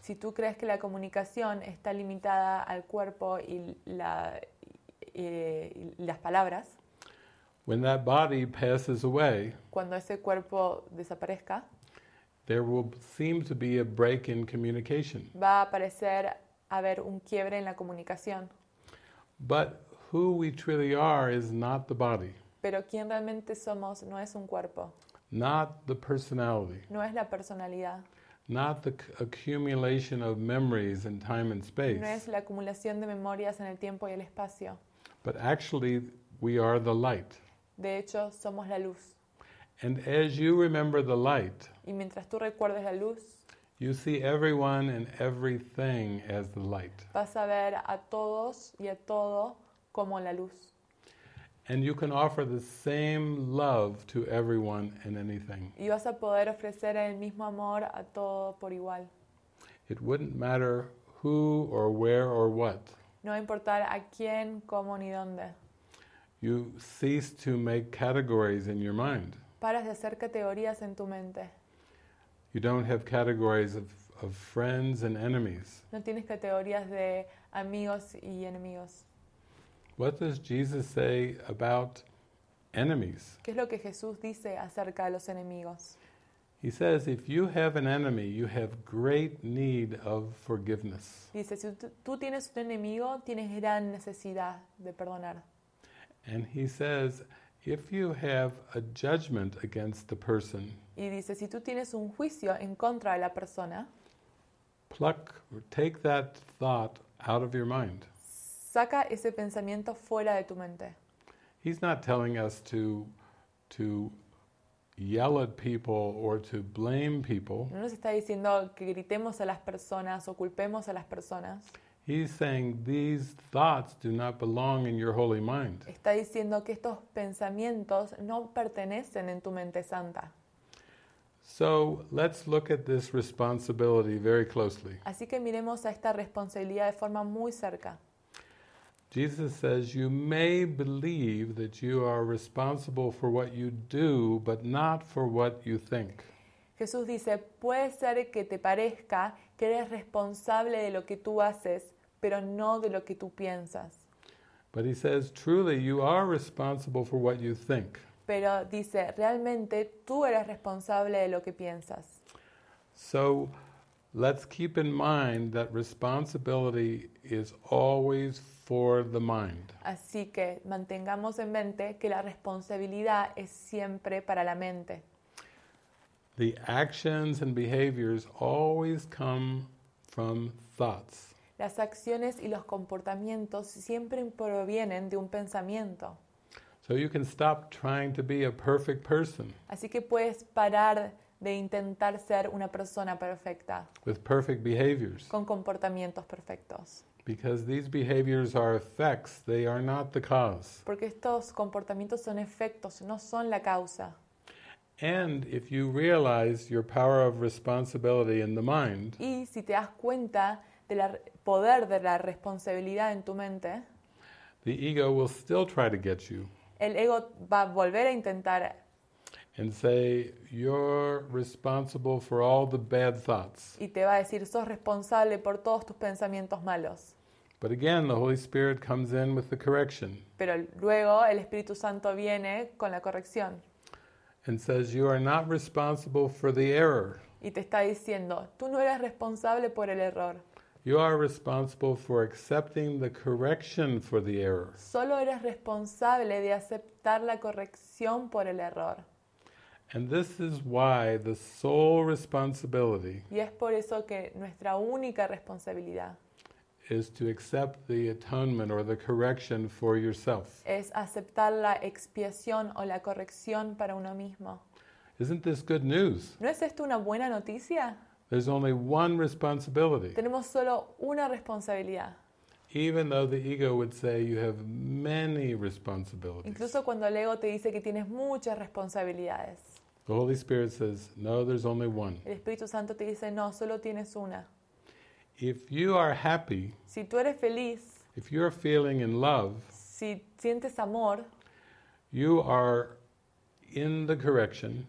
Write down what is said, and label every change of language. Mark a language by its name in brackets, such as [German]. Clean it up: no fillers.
[Spanish] si tú crees que la comunicación está limitada al cuerpo y las palabras, [English] when that body passes away, [Spanish] cuando ese cuerpo desaparezca, [English] there will seem to be a break in communication. [Spanish] Va a aparecer haber un quiebre en la comunicación. [English] But who we truly are is not the body. [Spanish] Pero quién realmente somos no es un cuerpo. [English] Not the personality. [Spanish] No es la personalidad. [English] Not the accumulation of memories in time and space. [Spanish] No es la acumulación de memorias en el tiempo y el espacio. [English] But actually, we are the light. [Spanish] De hecho, somos la luz. [English] And as you remember the light, [Spanish] y mientras tú recuerdes la luz, [English] you see everyone and everything as the light. [Spanish] Vas a ver a todos y a todo como la luz. [English] And you can offer the same love to everyone and anything. [Spanish] Y vas a poder ofrecer el mismo amor a todo por igual. [English] It wouldn't matter who or where or what. [Spanish] No importar a quién, cómo ni dónde. [English] You cease to make categories in your mind. [Spanish] Paras de hacer categorías en tu mente. [English] You don't have categories of friends and enemies. [Spanish] No tienes categorías de amigos y enemigos. [English] What does Jesus say about enemies? [Spanish] ¿Qué es lo que Jesús dice acerca de los enemigos? [English] He says, if you have an enemy, you have great need of forgiveness. [Spanish] Dice, si tú tienes un enemigo, tienes gran necesidad de perdonar. [English] And he says, if you have a judgment against the person, [Spanish] y dice, si tú tienes un juicio en contra de la persona, [English] pluck or take that thought out of your mind. [Spanish] Saca ese pensamiento fuera de tu mente. [English] He's not telling us to yell at people or to blame people. [Spanish] No nos está diciendo que gritemos a las personas o culpemos a las personas. [English] He's saying these thoughts do not belong in your holy mind. [Spanish] Está diciendo que estos pensamientos no pertenecen en tu mente santa. [English] So let's look at this responsibility very closely. [Spanish] Así que miremos a esta responsabilidad de forma muy cerca. [English] Jesus says you may believe that you are responsible for what you do, but not for what you think. [Spanish] Jesús dice, puede ser que te parezca que eres responsable de lo que tú haces, pero no de lo que tú piensas. [English] But he says, truly, you are responsible for what you think. [Spanish] Pero dice, realmente tú eres responsable de lo que piensas. [English] So, let's keep in mind that responsibility is always for the mind. [Spanish] Así que mantengamos en mente que la responsabilidad es siempre para la mente. [English] The actions and behaviors always come from thoughts. [Spanish] Las acciones y los comportamientos siempre provienen de un pensamiento. [English] So you can stop trying to be a perfect person. [Spanish] Así que puedes parar de intentar ser una persona perfecta. [English] With perfect behaviors. [Spanish] Con comportamientos perfectos. [English] Because these behaviors are effects, they are not the cause. [Spanish] Porque estos comportamientos son efectos, no son la causa. [English] And if you realize your power of responsibility in the mind, [Spanish] y si te das cuenta del poder de la responsabilidad en tu mente, [English] the ego will still try to get you. [Spanish] El ego va a volver a intentar. [English] And say, you're responsible for all the bad thoughts. [Spanish] Y te va a decir, sos responsable por todos tus pensamientos malos. [English] But again, the Holy Spirit comes in with the correction. [Spanish] Pero luego el Espíritu Santo viene con la corrección. [English] And says, you are not responsible for the error. [Spanish] Y te está diciendo, tú no eres responsable por el error. [English] You are responsible for accepting the correction for the error. [Spanish] Solo eres responsable de aceptar la corrección por el error. [English] And this is why the sole responsibility, [Spanish] y es por eso que nuestra única responsabilidad, [English] is to accept the atonement or the correction for yourself. [Spanish] Es aceptar la expiación o la corrección para uno mismo. [English] Isn't this good news? [Spanish] ¿No es esto una buena noticia? [English] There's only one responsibility. [Spanish] Tenemos solo una responsabilidad. [English] Even though the ego would say you have many responsibilities. [Spanish] Incluso cuando el ego te dice que tienes muchas responsabilidades. [English] The Holy Spirit says, no, there's only one. [Spanish] El Espíritu Santo te dice, no, solo tienes una. [English] If you are happy, [Spanish] si tú eres feliz, [English] if you are feeling in love, [Spanish] si sientes amor, [English] you are in the correction,